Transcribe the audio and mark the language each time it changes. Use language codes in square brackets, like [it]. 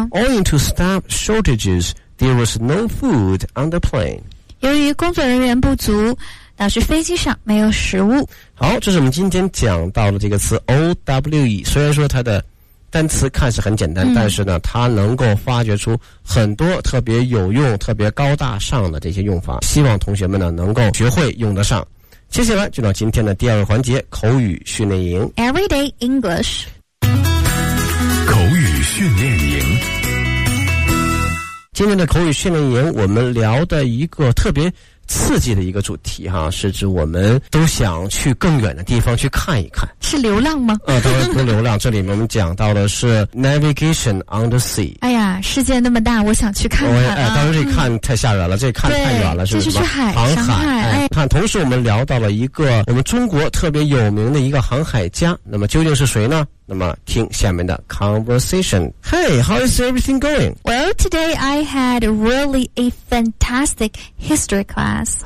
[en] owing to staff shortages there was no food on the plane， [zh] 由于工作人员不足导致飞机上没有食物。好，这是我们今天讲到的这个词 owe， 虽然说它的单词看似很简单、嗯、但是呢它能够发掘出很多特别有用特别高大上的这些用法，希望同学们呢能够学会用得上。接下来就到今天的第二个环节，口语训练营。 [en] Everyday English。 [zh] 口语训练营。今天的口语训练营，我们聊的一个特别刺激的一个主题哈，是指我们都想去更远的地方去看一看。是流浪吗？当然不流浪，这里面我们讲到的是 navigation on the sea。哎呀，世界那么大，我想去看看、啊。当然这看太吓人了，这看太远了，是吧？这去海，航海。哎，看，同时我们聊到了一个我们中国特别有名的一个航海家，那么究竟是谁呢？那么听下面的 [en] conversation。Hey, how is everything going? Well, today I had really a fantastic history class.